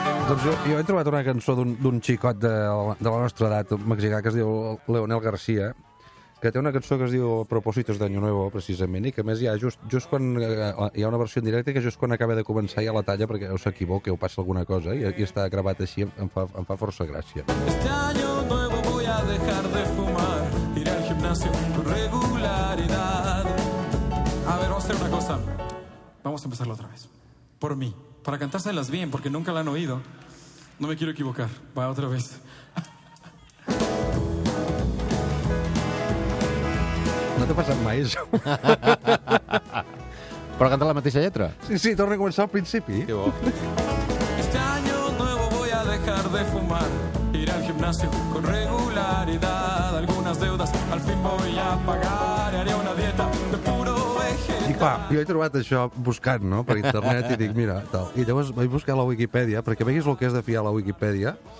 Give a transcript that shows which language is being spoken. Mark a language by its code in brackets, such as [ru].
[ca] Doncs jo he trobat una cançó d'un xicot de la nostra edat mexicà que es diu Leonel García, que té una cançó que es diu Propósitos de Año Nuevo, precisament, i que a més hi ha just quan hi ha una versió en directe que just quan acaba de començar hi ha la talla perquè o s'equivoca o passa alguna cosa, i està gravat així, em fa força gràcia. [es] Este año nuevo voy a dejar de fumar, iré al gimnasio con regularidad. A ver, vamos a hacer una cosa. Vamos a empezarlo otra vez. Por mí. Para cantárselas bien, porque nunca la han oído. No me quiero equivocar. Va, otra vez. [ca] No t'ha passat mai, això. Però cantar la mateixa lletra? Sí, torna a començar al principi. Que bo. [es] Este año nuevo voy a dejar de fumar. Iré al gimnasio con regularidad. Algunas deudas al fin voy a pagar. Haré una dieta de puro vegetal. [ca] I clar, jo he trobat això buscant, no?, per internet, i dic, mira, tal. I llavors vaig buscar la Wikipedia, perquè veguis el que és de fiar la Wikipedia.